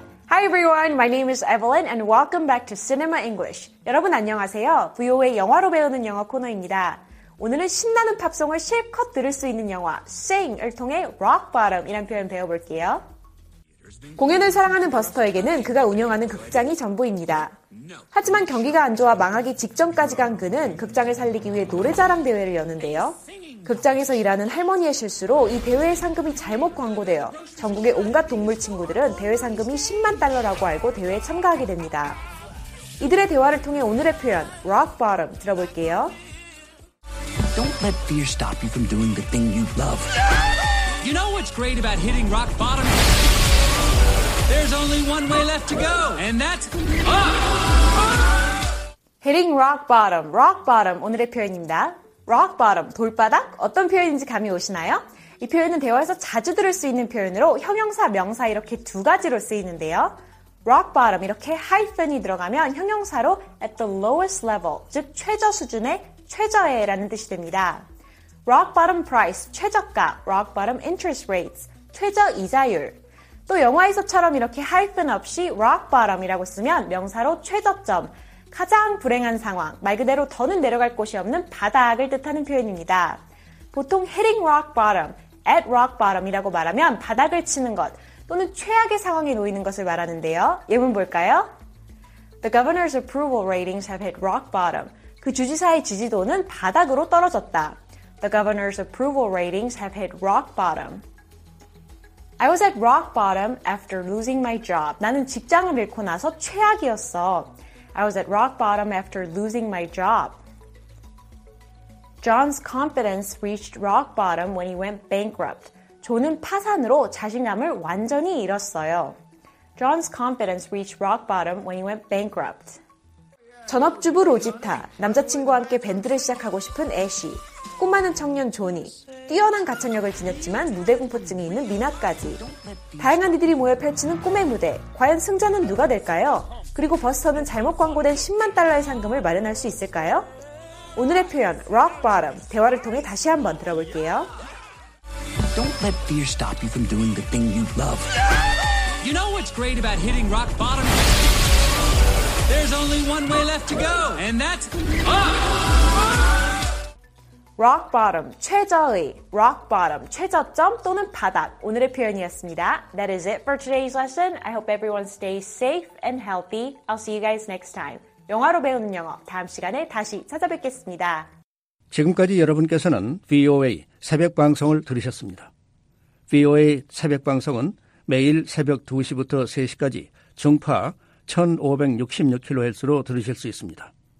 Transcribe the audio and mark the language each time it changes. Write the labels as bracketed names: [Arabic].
[English] Hi everyone, my name is Evelyn and welcome back to Cinema English. [Korean] 여러분 안녕하세요. VOA 영화로 배우는 영어 코너입니다. 오늘은 신나는 팝송을 실컷 들을 수 있는 영화 Sing을 통해 Rock Bottom이란 표현 배워볼게요. 공연을 사랑하는 버스터에게는 그가 운영하는 극장이 전부입니다. 하지만 경기가 안 좋아 망하기 직전까지 간 그는 극장을 살리기 위해 노래자랑 대회를 여는데요. 극장에서 일하는 할머니의 실수로 이 대회의 상금이 잘못 광고되어 전국의 온갖 동물 친구들은 대회 상금이 10만 달러라고 알고 대회에 참가하게 됩니다. 이들의 대화를 통해 오늘의 표현 Rock Bottom 들어볼게요. [English] Don't let fear stop you from doing the thing you love. You know what's great about hitting rock bottom? There's only one way left to go, and that's up! Hitting rock bottom, rock bottom, [Korean] 오늘의 표현입니다. Rock bottom, 돌바닥, 어떤 표현인지 감이 오시나요? 이 표현은 대화에서 자주 들을 수 있는 표현으로 형용사, 명사 이렇게 두 가지로 쓰이는데요. Rock bottom, 이렇게 hyphen이 들어가면 형용사로 [English] at the lowest level, [Korean] 즉 최저 수준의 최저에라는 뜻이 됩니다. [English] Rock bottom price, [Korean] 최저가, [English] rock bottom interest rates, [Korean] 최저 이자율. 또 영화에서처럼 이렇게 하이픈 없이 rock bottom이라고 쓰면 명사로 최저점, 가장 불행한 상황, 말 그대로 더는 내려갈 곳이 없는 바닥을 뜻하는 표현입니다. 보통 hitting rock bottom, at rock bottom이라고 말하면 바닥을 치는 것 또는 최악의 상황에 놓이는 것을 말하는데요. 예문 볼까요? [English] The governor's approval ratings have hit rock bottom. [Korean] 그 주지사의 지지도는 바닥으로 떨어졌다. [English] The governor's approval ratings have hit rock bottom. I was at rock bottom after losing my job. [Korean] 나는 직장을 잃고 나서 최악이었어. [English] I was at rock bottom after losing my job. John's confidence reached rock bottom when he went bankrupt. [Korean] 존은 파산으로 자신감을 완전히 잃었어요. [English] John's confidence reached rock bottom when he went bankrupt. [Korean] 전업주부 로지타, 남자친구와 함께 밴드를 시작하고 싶은 애쉬, 꿈 많은 청년 조니, 뛰어난 가창력을 지녔지만 무대 공포증이 있는 미나까지. 다양한 이들이 모여 펼치는 꿈의 무대, 과연 승자는 누가 될까요? 그리고 버스터는 잘못 광고된 10만 달러의 상금을 마련할 수 있을까요? 오늘의 표현, rock bottom, 대화를 통해 다시 한번 들어볼게요. [English] Don't let fear stop you from doing the thing you love. You know what's great about hitting rock bottom? There's only one way left to go, and that's up! [Korean] Rock bottom, 최저의, rock bottom, 최저점 또는 바닥, 오늘의 표현이었습니다. [English] That is it for today's lesson. I hope everyone stays safe and healthy. I'll see you guys next time. [Korean] 영화로 배우는 영어, 다음 시간에 다시 찾아뵙겠습니다. 지금까지 여러분께서는 VOA 새벽 방송을 들으셨습니다. VOA 새벽 방송은 매일 새벽 2시부터 3시까지 중파 1566kHz로 들으실 수 있습니다.